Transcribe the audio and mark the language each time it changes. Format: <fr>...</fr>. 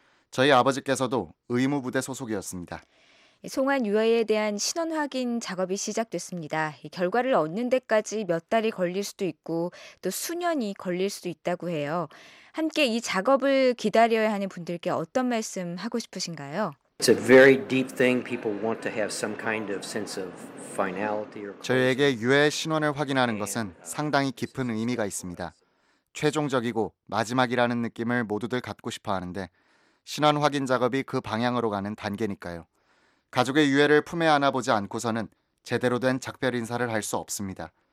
<ko>저희 아버지께서도 의무부대 소속이었습니다. 송환 유아에 대한 신원 확인 작업이 시작됐습니다. 결과를 얻는 데까지 몇 달이 걸릴 수도 있고 또 수년이 걸릴 수도 있다고 해요. 함께 이 작업을 기다려야 하는 분들께 어떤 말씀 하고 싶으신가요?</ko> <en>It's a very deep thing. People want to have some kind of sense of finality.</en> <ko>저에게 유해 신원을 확인하는 것은 상당히 깊은 의미가 있습니다. 최종적이고 마지막이라는 느낌을 모두들 갖고 싶어 하는데 신원 확인 작업이 그 방향으로 가는 단계니까요. 가족의 유해를 품에 안아보지 않고서는 제대로 된 작별 인사를 할 수 없습니다.</ko>